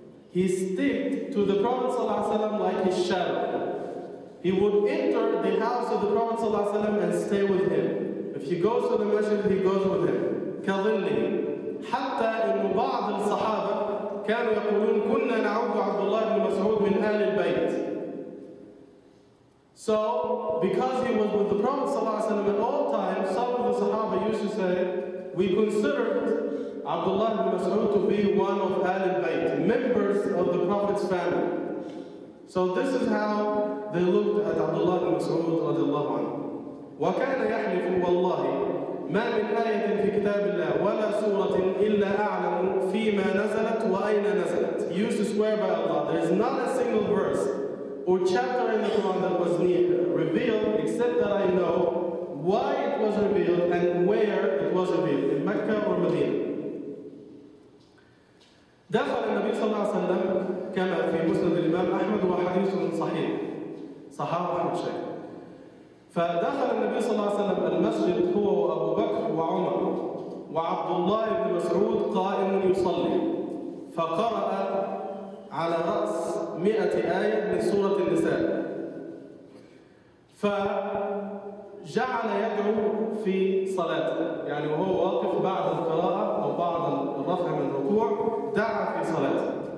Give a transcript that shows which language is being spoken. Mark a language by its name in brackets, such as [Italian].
[English] He stayed to the Prophet صلى الله عليه وسلم like his shadow. He would enter the house of the Prophet صلى الله عليه وسلم and stay with him. If he goes to the masjid, he goes with him. [Arabic] كظله. حتى أن بعض الصحابة كانوا يقولون كنا نعود عبد الله بن مسعود من آل البيت. [English] So because he was with the Prophet صلى الله عليه وسلم at all times, some of the Sahaba used to say, we considered Abdullah ibn Mas'ud to be one of Ahl al-Bayt, members of the Prophet's family. So this is how they looked at Abdullah ibn Mas'ud radiallahu anhu. [Arabic] وَكَانَ يَحْلِفُ وَاللَّهِ مَا مِنْ آيَةٍ فِي كِتَابِ اللَّهِ وَلَا سُورَةٍ إِلَّا أَعْلَمُ فِي مَا نَزَلَتْ وَأَيْنَ نَزَلَتْ. [English] He used to swear by Allah, there is not a single verse or chapter in the Quran that was revealed except that I know why it was revealed and where it was revealed, in Mecca or Medina. [Arabic] دخل النبي صلى الله عليه وسلم كما في مسند الإمام أحمد وحديث صحيح صحابة أحمد شيخ. فدخل النبي صلى الله عليه وسلم المسجد هو وأبو بكر وعمر وعبد الله بن مسعود قائم يصلي، فقرأ على رأس 100 آية من سورة النساء، فجعل يدعو في صلاته، يعني وهو واقف بعد القراءة أو بعد الرفع من الركوع دعا في صلاته.